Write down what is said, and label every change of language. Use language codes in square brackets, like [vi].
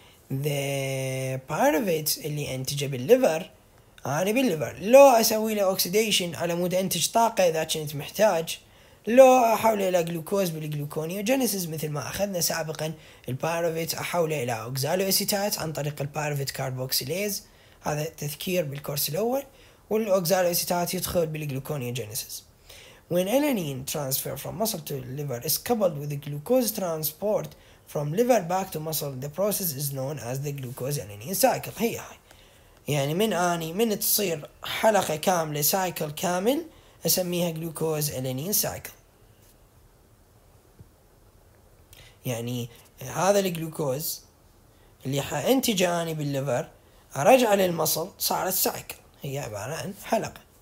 [en] The part of it [ar] اللي أنتجه بالليفر، يعني بالليفر لو أسوي له أكسيديشن على مود أنتج طاقة إذا كنت محتاج، لو احوله الى جلوكوز بالجلوكونيوجينيسيس، مثل ما اخذنا سابقا البايروفيت احوله الى اوكسالوأسيتات عن طريق البايروفيت كاربوكسيليز، هذا تذكير بالكورس الاول، والاوكسالوأسيتات يدخل بالجلوكونيوجينيسيس. [en] when alanine transfer from muscle to liver is coupled with the glucose transport from liver back to muscle the process is known as the glucose alanine cycle. [ar] هي هاي، يعني من تصير حلقه كامله سايكل كامل أسميها جلوكوز ألانين سايكل. يعني هذا الجلوكوز اللي حانتجاني بالليفر رجع للمصل صارت سايكل، هي عبارة عن حلقة.